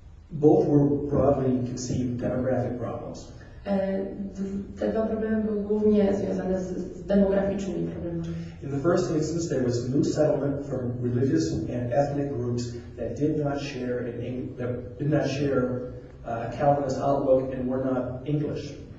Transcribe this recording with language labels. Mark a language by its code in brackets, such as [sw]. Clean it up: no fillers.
[en] Both were broadly conceived demographic problems. [pl] Te dwa problemy były głównie związane z demograficznymi problemami. [en] In the first instance, there was new settlement from religious and ethnic groups that did not share a Calvinist outlook and were not English.